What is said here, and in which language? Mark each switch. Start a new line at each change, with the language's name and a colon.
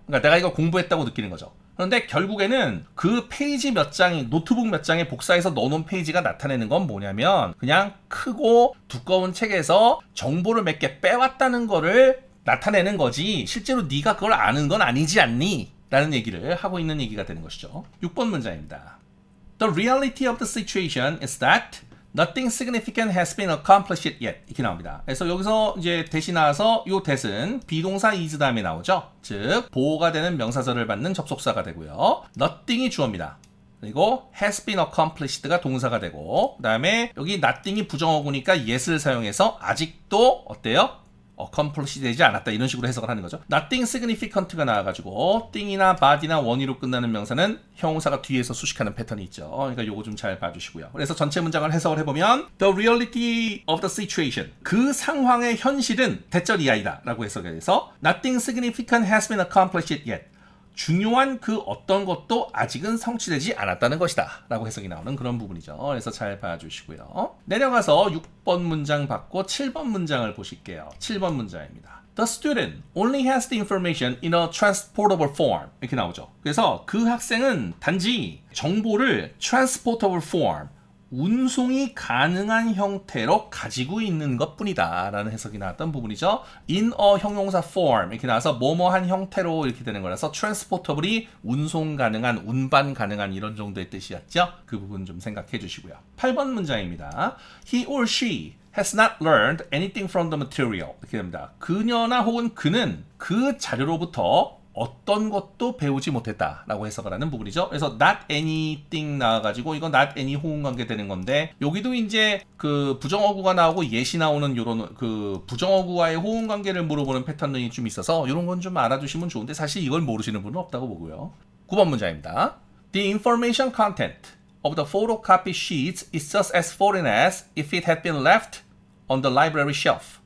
Korean: 그러니까 내가 이거 공부했다고 느끼는 거죠. 그런데 결국에는 그 페이지 몇 장이 노트북 몇 장에 복사해서 넣어놓은 페이지가 나타내는 건 뭐냐면 그냥 크고 두꺼운 책에서 정보를 몇 개 빼왔다는 거를 나타내는 거지 실제로 네가 그걸 아는 건 아니지 않니? 라는 얘기를 하고 있는 얘기가 되는 것이죠. 6번 문장입니다.
English: The reality of the situation is that nothing significant has been accomplished yet.
Korean: 이렇게 나옵니다. 그래서 여기서 이제 that이 나와서 이 that은 비동사 is 다음에 나오죠. 즉 보호가 되는 명사절을 받는 접속사가 되고요. nothing이 주어입니다. 그리고
English: has been accomplished
Korean: 가 동사가 되고 그 다음에 여기 nothing이 부정어구니까 yet을 사용해서 아직도 어때요? accomplished 되지 않았다 이런 식으로 해석을 하는 거죠. nothing significant가 나와가지고 thing이나 body나 원의로 끝나는 명사는 형용사가 뒤에서 수식하는 패턴이 있죠. 그러니까 요거 좀 잘 봐주시고요. 그래서 전체 문장을 해석을 해보면
English: the reality of the situation
Korean: 그 상황의 현실은 대절 이하이다 라고 해석을 해서
English: nothing significant has been accomplished yet
Korean: 중요한 그 어떤 것도 아직은 성취되지 않았다는 것이다 라고 해석이 나오는 그런 부분이죠. 그래서 잘 봐주시고요. 내려가서 6번 문장 받고 7번 문장을 보실게요. 7번 문장입니다.
English: The student only has the information in a transportable form.
Korean: 이렇게 나오죠. 그래서 그 학생은 단지 정보를
English: transportable form,
Korean: 운송이 가능한 형태로 가지고 있는 것뿐이다 라는 해석이 나왔던 부분이죠. in a 형용사 form 이렇게 나와서 뭐뭐한 형태로 이렇게 되는 거라서 transportable이 운송 가능한, 운반 가능한 이런 정도의 뜻이었죠. 그 부분 좀 생각해 주시고요. 8번 문장입니다.
English: He or she has not learned anything from the material.
Korean: 이렇게 됩니다. 그녀나 혹은 그는 그 자료로부터 어떤 것도 배우지 못했다 라고 해석을 하는 부분이죠. 그래서 not anything 나와가지고 이건 not any 호응관계 되는 건데 여기도 이제 그 부정어구가 나오고 yet이 나오는 이런 그 부정어구와의 호응관계를 물어보는 패턴이 좀 있어서 이런 건 좀 알아두시면 좋은데 사실 이걸 모르시는 분은 없다고 보고요. 9번 문장입니다.
English: The information content of the photocopy sheets is just as foreign as if it had been left on the library shelf.